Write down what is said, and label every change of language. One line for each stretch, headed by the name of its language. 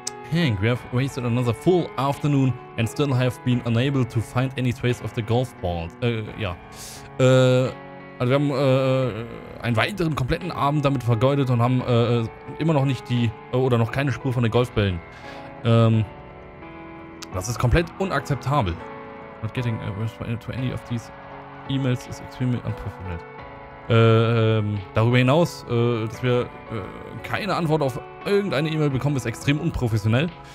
English: Hank, we have wasted another full afternoon and still have been unable to find any trace of the golf ball.
German: Also wir haben einen weiteren kompletten Abend damit vergeudet und haben immer noch nicht die oder noch keine Spur von den Golfbällen. Das ist komplett unakzeptabel.
English: Not getting a response to any of these emails is extremely unprofessional.
German: Darüber hinaus, dass wir keine Antwort auf irgendeine E-Mail bekommen, ist extrem unprofessionell.